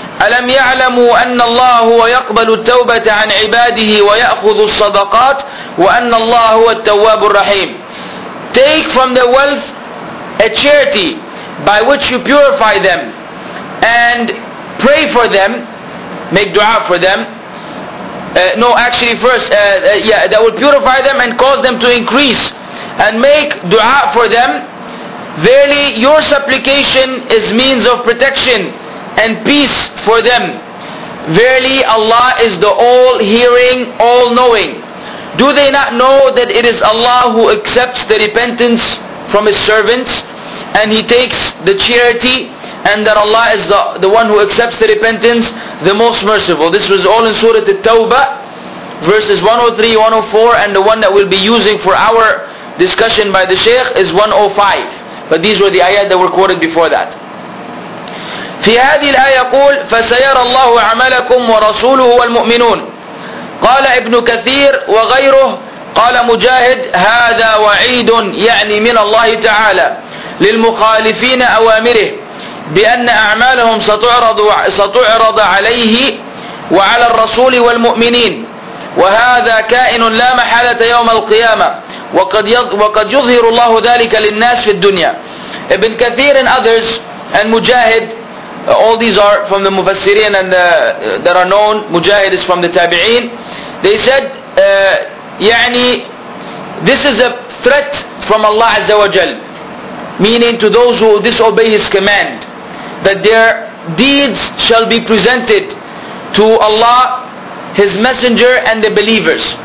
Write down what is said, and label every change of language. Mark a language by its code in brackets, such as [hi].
[ar] ألم يعلموا أن الله هو يقبل التوبة عن عباده ويأخذ الصدقات وأن الله هو التواب الرحيم. [en] Take from the wealth a charity by which you purify them and pray for them, make dua for them. That will purify them and cause them to increase, and make dua for them. Verily, your supplication is means of protection and peace for them. Verily Allah is the all-hearing, all-knowing. Do they not know that it is Allah who accepts the repentance from His servants, and He takes the charity, and that Allah is the one who accepts the repentance, the most merciful? This was all in Surah At-Tawbah, verses 103, 104, and the one that we'll be using for our discussion by the Shaykh is 105. But these were the ayat that were quoted before that. [ar] في هذه الآية يقول فسيرى الله عملكم ورسوله والمؤمنون قال ابن كثير وغيره قال مجاهد هذا وعيد يعني من الله تعالى للمخالفين أوامره بأن أعمالهم ستعرض عليه وعلى الرسول والمؤمنين وهذا كائن لا محالة يوم القيامة وقد يظهر الله ذلك للناس في الدنيا. [en] Ibn Kathir and others and Mujahid, all these are from the Mufassirin and that are known. Mujahid is from the Tabi'in. They said, يعني, this is a threat from Allah Azza wa Jal, meaning to those who disobey His command, that their deeds shall be presented to Allah, His Messenger, and the believers.